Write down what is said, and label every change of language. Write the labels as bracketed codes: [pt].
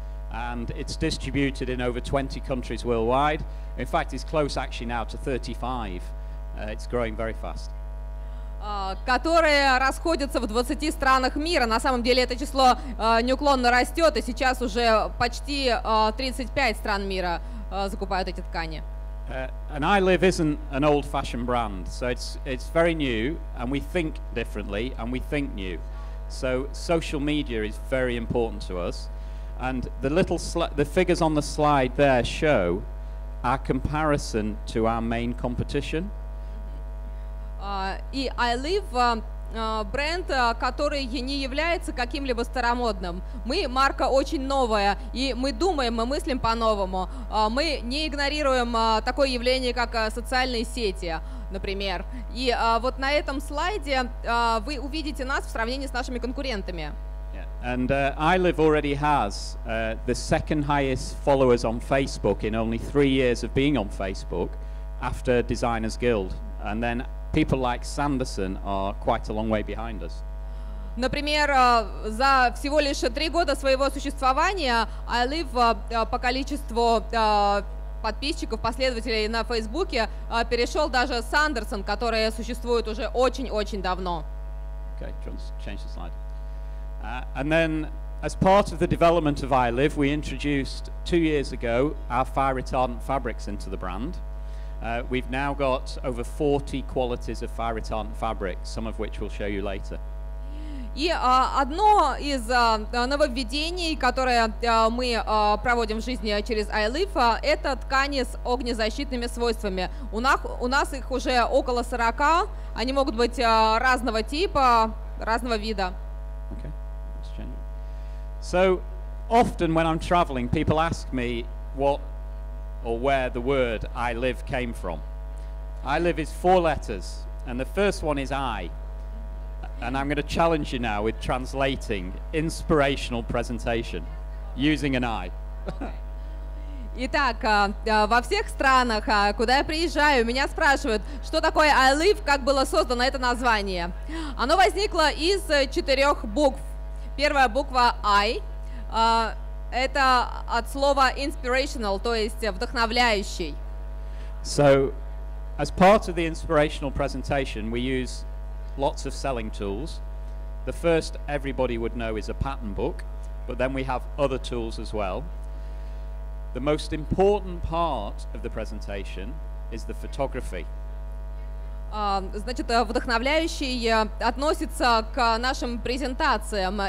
[en] And it's distributed in over 20 countries worldwide. In fact, it's close actually now to 35. It's growing very fast. [ru] Которые расходятся в 20 странах мира. На самом деле это число неуклонно растет, и сейчас уже почти 35 стран мира закупают эти ткани. [en] And iLive isn't an old-fashioned brand, so it's very new, and we think differently, and we think new. So social media is very important to us, and the figures on the slide there show our comparison to our main competition. [ru] И iLive бренд, который не является каким-либо старомодным. Мы марка очень новая, и мы думаем, мы мыслим по-новому. Мы не игнорируем такое явление, как социальные сети, например. И вот на этом слайде вы увидите нас в сравнении с нашими конкурентами. [en] Yeah. And iLive already has the second highest followers on Facebook in only 3 years of being on Facebook after Designers Guild. And then people like Sanderson are quite a long way behind us. [ru] Например, за всего лишь 3 года своего существования Алив по количеству подписчиков, последователей на Фейсбуке перешел даже с Андерсон, которая существует уже очень-очень давно. [en] Okay, John, change the slide. And then, as part of the development of iLive, we introduced 2 years ago our fire-retardant fabrics into the brand. We've now got over 40 qualities of fire-retardant fabric, some of which we'll show you later. [ru] И одно из нововведений, которое мы проводим в жизни через iLive, это ткани с огнезащитными свойствами. У нас их уже около 40, они могут быть разного типа, разного вида. [en] Okay. So often when I'm traveling, people ask me what or where the word iLive came from. iLive is 4 letters, and the first one is I. And I'm going to challenge you now with translating inspirational presentation using an I. [ru] Итак, во всех странах, куда я приезжаю, меня спрашивают, что такое iLive, как было создано это название. Оно возникло из 4 букв. Первая буква I – это от слова inspirational, то есть вдохновляющий. [en] So, as part of the inspirational presentation, we use lots of selling tools. The first everybody would know is a pattern book, but then we have other tools as well. The most important part of the presentation is the photography. [ru] Значит, вдохновляющий относится к нашим презентациям.